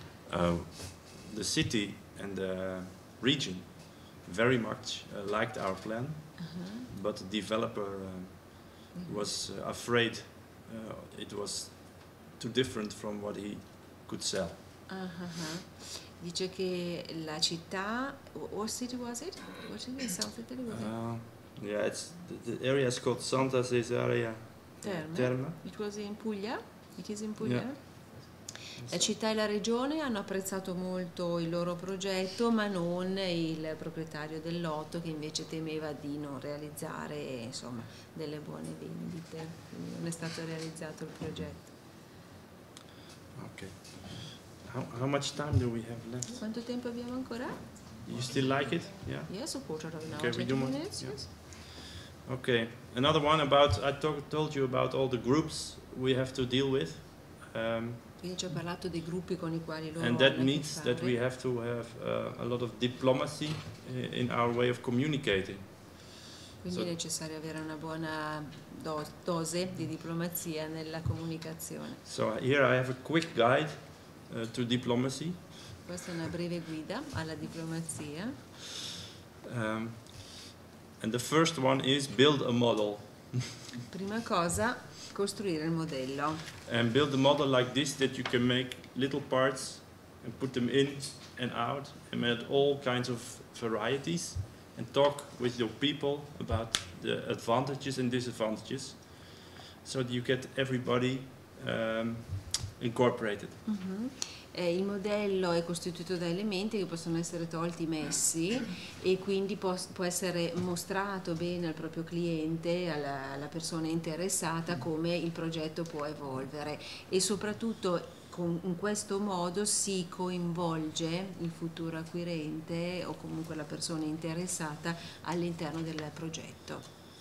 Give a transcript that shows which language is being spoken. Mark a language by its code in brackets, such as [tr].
[en] The city and the region very much liked our plan, but the developer was afraid it was too different from what he could sell. [it] Dice che la città, [en] what city was it? What city is South Italy? Yeah, it's the area is called Santa Cesarea. Terme. It was in Puglia. It is in Puglia. Yeah. [it] La città e la regione hanno apprezzato molto il loro progetto, ma non il proprietario del lotto, che invece temeva di non realizzare, insomma, delle buone vendite. Quindi non è stato realizzato il progetto. [en] Okay. How much time do we have left? [it] Quanto tempo abbiamo ancora? [en] You still like it? Yeah. Yes, a quarter of an hour. Okay, we do more. Okay, another one about, I told you about all the groups we have to deal with. [it] Ci ho parlato dei gruppi con I quali loro [en] and that means that we have to have a lot of diplomacy in our way of communicating. [it] Quindi so, è necessario avere una buona dose di diplomazia nella comunicazione. [en] So here I have a quick guide to diplomacy. [it] Questa è una breve guida alla diplomazia. [en] And the first one is build a model. [it] Prima cosa, costruire il modello. [en] And build a model like this that you can make little parts and put them in and out and add all kinds of varieties and talk with your people about the advantages and disadvantages so that you get everybody incorporated. [it] Il modello è costituito da elementi che possono essere tolti, messi, e quindi può essere mostrato bene al proprio cliente, alla persona interessata, come il progetto può evolvere. E soprattutto in questo modo si coinvolge il futuro acquirente o comunque la persona interessata all'interno del progetto.